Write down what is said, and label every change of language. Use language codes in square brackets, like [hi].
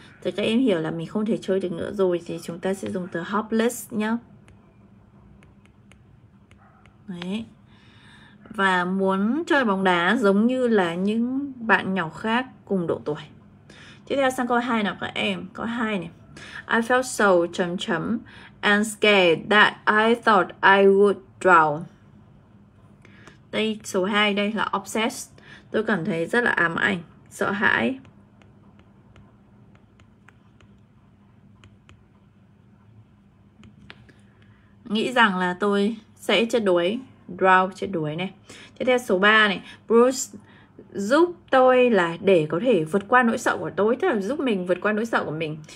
[vi] Thì các em hiểu là mình không thể chơi được nữa rồi thì chúng ta sẽ dùng từ hopeless nhá. Đấy. Và muốn chơi bóng đá giống như là những bạn nhỏ khác cùng độ tuổi. Tiếp theo sang câu 2 nào các em, câu 2 này. [en] I felt so [vi] chấm chấm [en] and scared that I thought I would drown. [vi] Đây, số 2 đây là obsessed. Tôi cảm thấy rất là ám ảnh, sợ hãi. Nghĩ rằng là tôi sẽ chết đuối, drown chết đuối này. Tiếp theo số 3 này, Bruce giúp tôi là để có thể vượt qua nỗi sợ của tôi, tức là giúp mình vượt qua nỗi sợ của mình.